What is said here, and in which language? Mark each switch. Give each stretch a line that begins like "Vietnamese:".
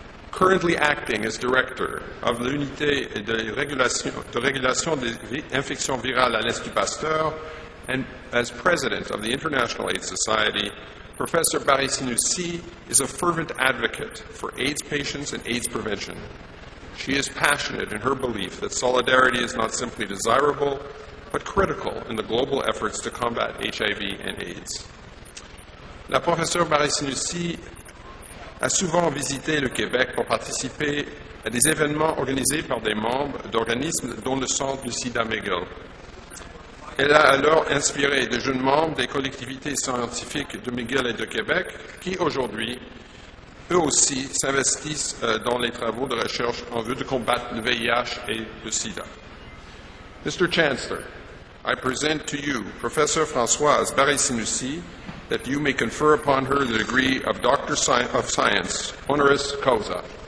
English: Currently acting as director of the Unité de Régulation des Infections Virales à l'Institut Pasteur and as president of the International AIDS Society, Professor Barré-Sinoussi is a fervent advocate for AIDS patients and AIDS prevention. She is passionate in her belief that solidarity is not simply desirable, but critical in the global efforts to combat HIV and AIDS.
French: La professeure Barré-Sinoussi a souvent visité le Québec pour participer à des événements organisés par des membres d'organismes dont le centre Lucida McGill. Elle a alors inspiré de jeunes membres des collectivités scientifiques de McGill et de Québec qui aujourd'hui, eux aussi, s'investissent dans les travaux de recherche en vue de combattre le VIH et le SIDA.
English: Mr. Chancellor, I present to you Professor Françoise Barré-Sinoussi that you may confer upon her the degree of Doctor of Science, honoris causa.